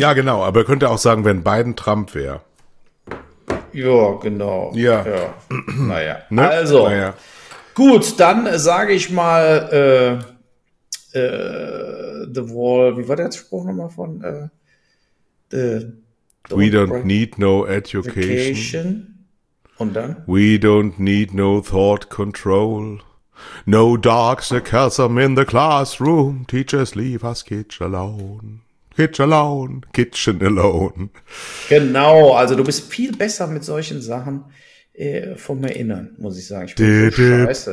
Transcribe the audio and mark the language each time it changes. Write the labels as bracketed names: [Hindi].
[German] Ja, genau. Aber er könnte auch sagen, wenn Biden Trump wäre. Ja, genau. Ja. Naja. Ne? Also, naja. Gut, dann sage ich mal, The Wall, wie war der Spruch nochmal von [English] We don't need no education. [German] Und dann? [English] We don't need no thought control. No dark sarcasm in the classroom. Teachers leave us kitsch alone. Kitsch alone, kitchen alone. [German] Genau, also du bist viel besser mit solchen Sachen vom Erinnern, muss ich sagen. Ich bin so scheiße.